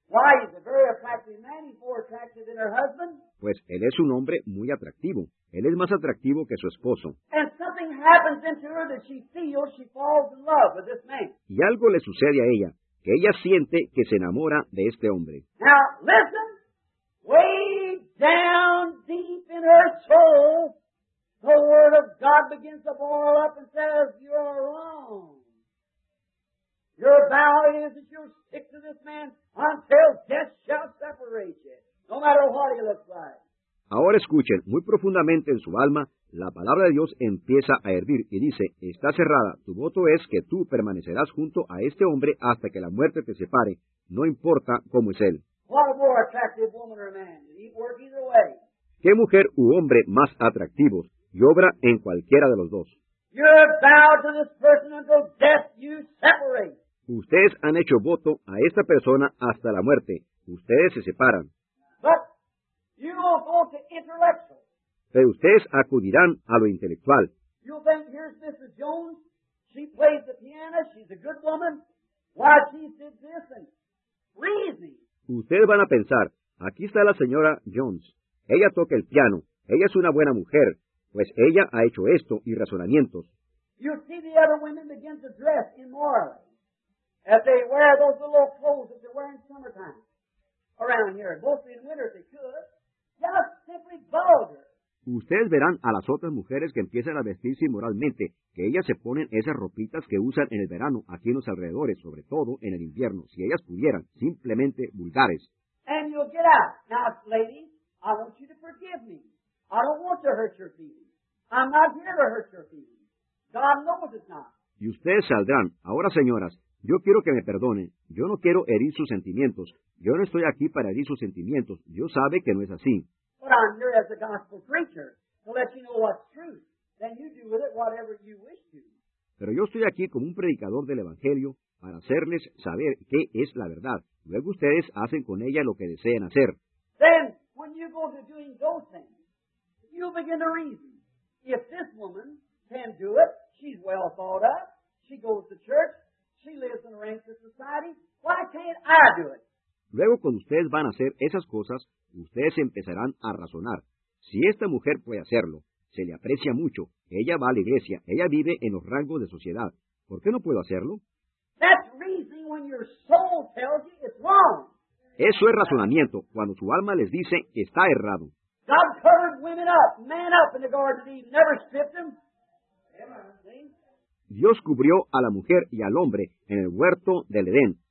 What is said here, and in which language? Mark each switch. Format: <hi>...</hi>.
<en>Why, he's a very attractive man. He's more attractive than her husband.</en> <es>Pues él es un hombre muy atractivo. Él es más atractivo que su esposo.</es> <en>And something happens into her that she feels she falls in love with this man.</en> <es>Y algo le sucede a ella, que ella siente que se enamora de este hombre.</es> <en>Now, listen, way down deep in her soul, the word of God begins to boil up and says, you're wrong. Your vow is that you'll stick to this man until death shall separate you, no matter what he looks like.</en> <es>Ahora escuchen, muy profundamente en su alma, la palabra de Dios empieza a hervir y dice, está cerrada, tu voto es que tú permanecerás junto a este hombre hasta que la muerte te separe, no importa cómo es él.</es> <en>What a more attractive woman or man, it'd work either way.</en> <es>¿Qué mujer u hombre más atractivos? Y obra en cualquiera de los dos.</es> <en>You're bound to this person until death you separate.</en> <es>Ustedes han hecho voto a esta persona hasta la muerte. Ustedes se separan.</es> <en>But you will go to intellectual.</en> <es>Pero ustedes acudirán a lo intelectual.</es> <en>You'll think, here's Mrs. Jones. She plays the piano. She's a good woman. Why she did this and reason.</en> <es>Ustedes van a pensar, aquí está la señora Jones. Ella toca el piano. Ella es una buena mujer. Pues ella ha hecho esto y razonamientos.</es> <en>You see the other women begin to dress immorally. As they wear those little clothes that they wear in summertime. Around here, mostly in winter if they could. Just simply vulgar.</en> <es>Ustedes verán a las otras mujeres que empiezan a vestirse inmoralmente, que ellas se ponen esas ropitas que usan en el verano aquí en los alrededores, sobre todo en el invierno, si ellas pudieran, simplemente vulgares.</es> <en>And you'll get out. Now, ladies, I want you to forgive me. I don't want to hurt your feelings. I'm not here to hurt your feelings. God knows it's not.</en> <es>Y ustedes saldrán. Ahora, señoras, yo quiero que me perdonen. Yo no quiero herir sus sentimientos. Yo no estoy aquí para herir sus sentimientos. Dios sabe que no es así.</es> <en>But I'm here as a gospel preacher to let you know what's true. Then you do with it whatever you wish to.</en> <es>Pero yo estoy aquí como un predicador del Evangelio para hacerles saber qué es la verdad. Luego ustedes hacen con ella lo que deseen hacer.</es> <en>Then, when you go to doing those things, you'll begin to reason. If this woman can do it, she's well thought of, she goes to church, she lives in a rank of society, why can't I do it?</en> <es>Luego, cuando ustedes van a hacer esas cosas, ustedes empezarán a razonar. Si esta mujer puede hacerlo, se le aprecia mucho, ella va a la iglesia, ella vive en los rangos de sociedad, ¿por qué no puedo hacerlo?</es> <en>That's reasoning when your soul tells you it's wrong.</en> <es>Eso es razonamiento, cuando su alma les dice que está errado.</es> <en>God covered women up, man up in the Garden of Eden, never stripped them.</en> <es>Dios cubrió a la mujer y al hombre en el huerto del Edén.</es>